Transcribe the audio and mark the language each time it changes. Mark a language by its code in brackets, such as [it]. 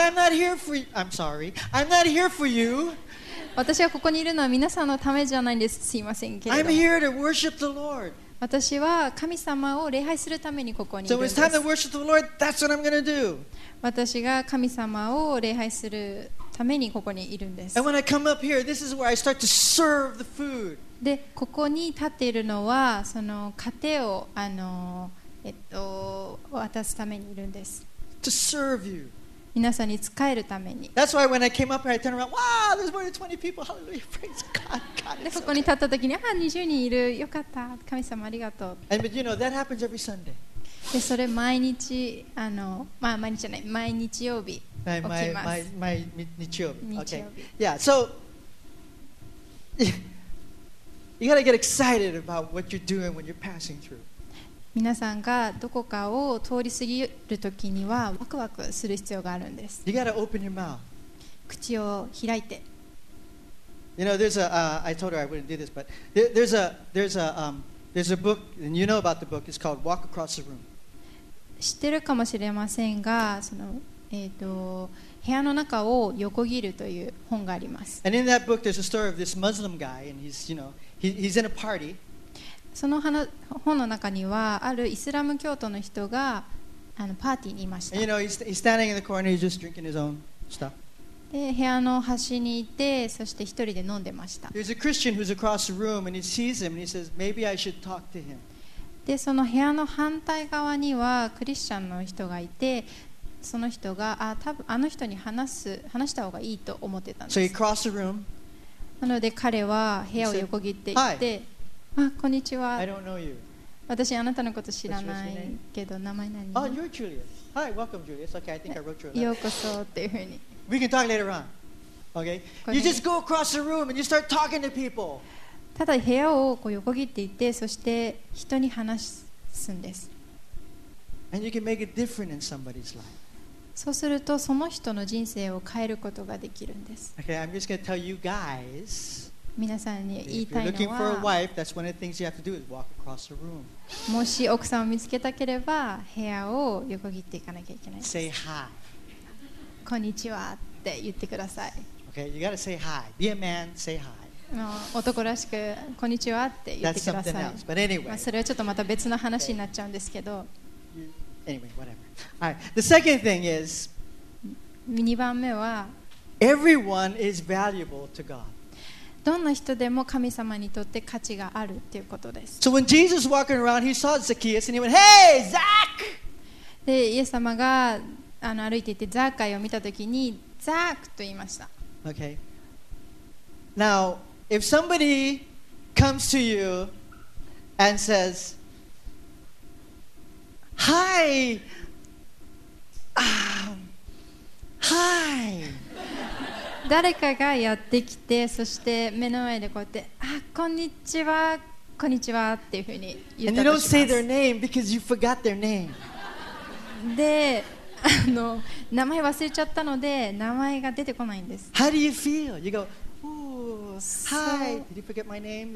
[en] Because I'm not here for you. I'm sorry. I'm not here for you. [ja] 私はここにいるのは皆さんのためじゃないんですすいませんけれども [en] I'm here to worship the Lord. [ja] 私は神様を礼拝するためにここにいるんです [en] So it's time to worship the Lord. That's what I'm going to do. [ja] 私が神様を礼拝するためにここにいるんです [en] And when I come up here, this is where I start to serve the food. [ja] でここに立っているのはその糧をあの渡すためにいるんです [en] to serve you. [ja] 皆さんに仕えるために。 [en] That's why when I came up here, I turned around. Wow, there's more than 20 people. Hallelujah, praise God. God. [ja] で、ここに立った時に、ああ、20人いる。よかった。神様ありがとう。 [en] And but you know that happens every Sunday. [ja] で、それ毎日あのまあ毎日じゃない毎日曜日起きます。毎日曜日。 [en] Okay. Yeah. So you gotta get excited about what you're doing when you're passing through. [ja] 皆さんがどこかを通り過ぎるときにはワクワクする必要があるんです。 [en] You gotta open your mouth. [ja] 口を開いて。 [en] You know, there's a, I told her I wouldn't do this, but there's a book, and you know about the book, it's called Walk Across the Room. [ja] 知ってるかもしれませんが、その、部屋の中を横切るという本があります。 [en] And in that book, there's a story of this Muslim guy, and he's, you know, he's in a party. [ja] その本の中にはあるイスラム教徒の人がパーティーにいました。 [en] You know, he's standing in the corner, he's just drinking his own stuff. [ja] で、部屋の端にいて、そして一人で飲んでました。 [en] There's a Christian who's across the room and he sees him and he says, maybe I should talk to him. [ja] で、その部屋の反対側にはクリスチャンの人がいて、その人が、あ、多分あの人に話した方がいいと思ってたんです。 [en] So he crossed the room. [ja] なので彼は部屋を横切って行って、あ、こんにちは。 [en] I don't know you. [ja] 私あなたのこと知らないけど名前何？ [en] Oh, you're Julius. Hi, welcome, Julius. Okay, I think I wrote your name. [ja] ようこそっていうふうに。 [en] We can talk later on. Okay. You just go across the room and you start talking to people. [ja] ただ部屋をこう横切っていって、そして人に話すんです。 [en] And you can make a difference in somebody's life. [ja] そうするとその人の人生を変えることができるんです。 [en] Okay, I'm just going to tell you guys. [ja] 皆さんに言いたいのは、 [en] wife, [ja] もし奥さんを見つけたければ部屋を横切っていかなきゃいけないです。 [en] Say hi. [ja] こんにちはって言ってください。 [en] Okay, you gotta say hi. Be a man, say hi. [ja] 男らしくこんにちはって言ってください。 [en] That's something else. But anyway. [ja] まあそれはちょっとまた別の話になっちゃうんですけど、 [en] Anyway, whatever. All right. The second thing is [ja] 2番目は [en] Everyone is valuable to God. [ja] どんな人でも神様にとって価値があるっていうことです。 [en] So when Jesus walking around, he saw Zacchaeus and he went, "Hey, Zach!" [ja] で、イエス様が歩いていてザーカイを見たときにザークと言いました。 [en] Okay. Now, if somebody comes to you and says, "Hi, hi." [ja] 誰かがやってきて、そして目の前でこうやって、あ、こんにちは、こんにちはっていうふうに言ったとします。 [en] And you don't say their name because you forgot their name. [ja] で、名前忘れちゃったので名前が出てこないんです。 [en] How do you feel? You go, ooh, hi, did you forget my name?